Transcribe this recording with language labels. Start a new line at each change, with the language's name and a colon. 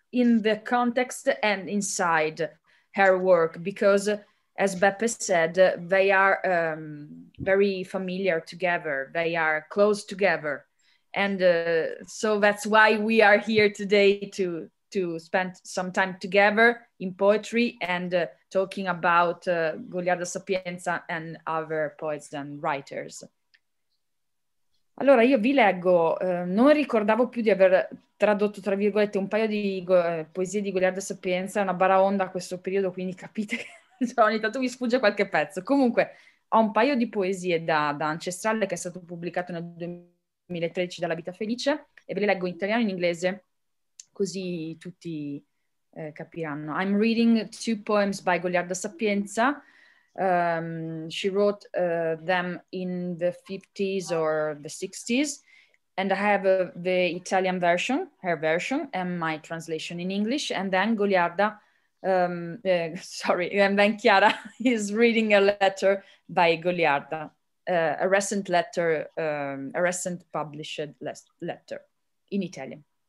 English: In the context and inside her work, because as Beppe said, they are very familiar together, they are close together. And so that's why we are here today to spend some time together in poetry and talking about Goliarda Sapienza and other poets and writers.
Italian: Allora, io vi leggo, non ricordavo più di aver tradotto, tra virgolette, un paio di poesie di Goliarda Sapienza, è una baraonda a questo periodo, quindi capite che ogni tanto mi sfugge qualche pezzo. Comunque, ho un paio di poesie da Ancestrale, che è stato pubblicato nel 2013 dalla Vita Felice, e ve le leggo in italiano e in inglese, così tutti capiranno.
English: I'm reading two poems by Goliarda Sapienza. She wrote them in the 50s or the 60s, and I have the Italian version, her version, and my translation in English. And then Goliarda, sorry, and then Chiara is reading a letter by Goliarda, a recent letter, a recent published letter in Italian.